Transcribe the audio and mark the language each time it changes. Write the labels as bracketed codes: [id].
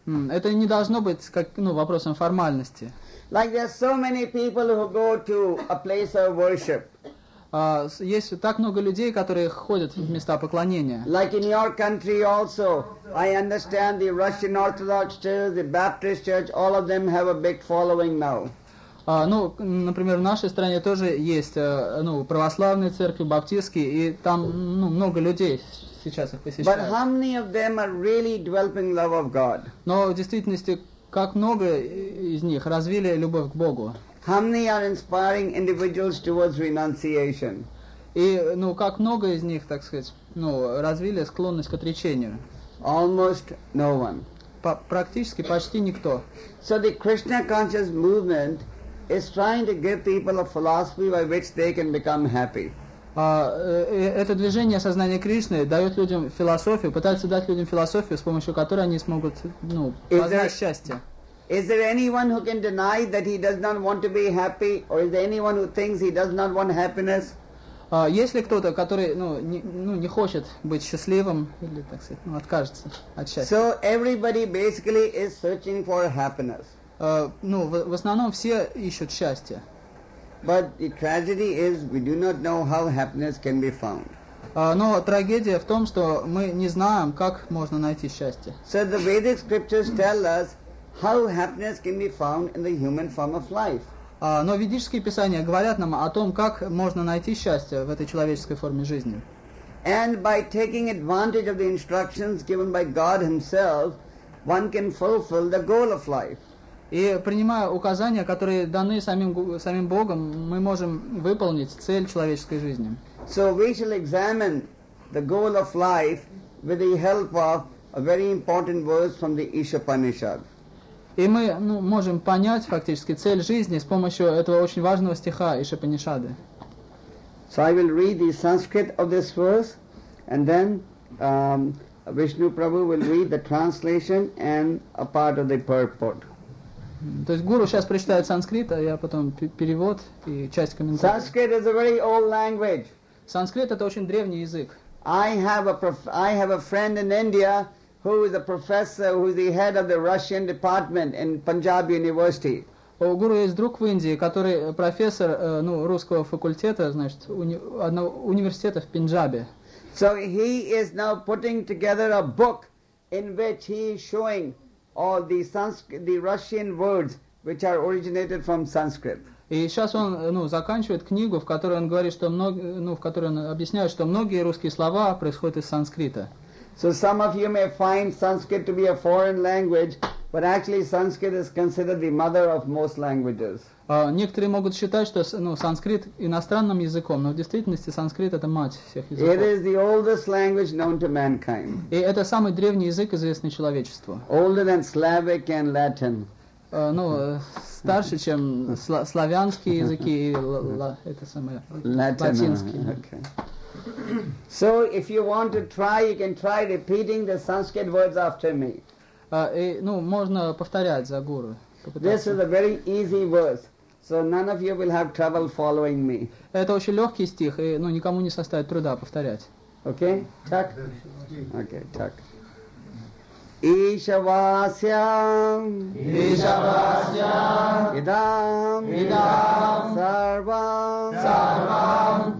[ru] Это не должно быть как вопросом формальности. [en] Like there are so many people who go to a place of worship. [ru] Есть так много людей, которые ходят в места поклонения. [en] Like in your country also, I understand the Russian Orthodox Church, the Baptist Church, all of them have a big following now. [ru] Например, в нашей стране тоже есть православные церкви, баптистские, и там много людей сейчас их посещают. [en] But how many of them are really developing love of God? [ru] Но в действительности, как много из них развили любовь к Богу? [en] How many are inspiring individuals towards renunciation? [ru] Как много из них, так сказать, развили склонность к отречению? [en] Almost no one. [ru] Практически почти никто. [en] So the Krishna conscious movement is trying to give people a philosophy by which they can become happy. [ru] Это движение сознания Кришны дает людям философию, пытается дать людям философию, с помощью которой они смогут, познать счастье. [en] Is there anyone who can deny that he does not want to be happy, or is there anyone who thinks he does not want happiness? [ru] Есть ли кто-то, который, не хочет быть счастливым или, так сказать, откажется от счастья? [en] So everybody basically is searching for happiness. [ru] В основном все ищут счастье. [en] But the tragedy is we do not know how happiness can be found. [ru] Но трагедия в том, что мы не знаем, как можно найти счастье. [en] So the Vedic scriptures tell us how happiness can be found in the human form of life. [ru] Но ведические писания говорят нам о том, как можно найти счастье в этой человеческой форме жизни. [en] And by taking advantage of the instructions given by God Himself, one can fulfill the goal of life. [ru] И принимая указания, которые даны самим Богом, мы можем выполнить цель человеческой жизни. [en] So we shall examine the goal of life with the help of a very important verse from the Ishapanishad. [ru] И мы можем понять фактически цель жизни с помощью этого очень важного стиха Ишапанишады. [en] So I will read the Sanskrit of this verse, and then Vishnu Prabhu will read the translation and a part of the purport. [ru] То есть гуру сейчас прочитает санскрит, а я потом перевод и часть комментария. [en] Sanskrit is a very old language. [ru] Санскрит — это очень древний язык. [en] I have a friend in India who is a professor, who is the head of the Russian department in Punjab University. [ru] У гуру есть друг в Индии, который профессор русского факультета, одного университета в Пенджабе. [en] So he is now putting together a book in which he is showing all the Sanskrit, the Russian words which are originated from Sanskrit. [ru] И сейчас он заканчивает книгу, в которой он говорит, что в которой он объясняет, что многие русские слова происходят из санскрита. [en] So some of you may find Sanskrit to be a foreign language, but actually Sanskrit is considered the mother of most languages. [ru] Некоторые могут считать, что санскрит иностранным языком, но в действительности санскрит — это мать всех языков. [en] It is the oldest language known to mankind. [ru] И это самый древний язык, известный человечеству. [en] Older than Slavic and Latin. [ru] ну, старше, чем славянские языки и это самое, латинские. [en] Okay. So if you want to try, you can try repeating the Sanskrit words after me. [ru] И, ну, можно повторять за гуру. [en] This is a very easy verse, so none of you will have trouble following me. [ru] Это очень легкий стих, и, ну, никому не составит труда повторять. [en] Okay, так? Okay, так. Ishavasyam [sa] Ishavasyam Idam Idam Sarvam Sarvam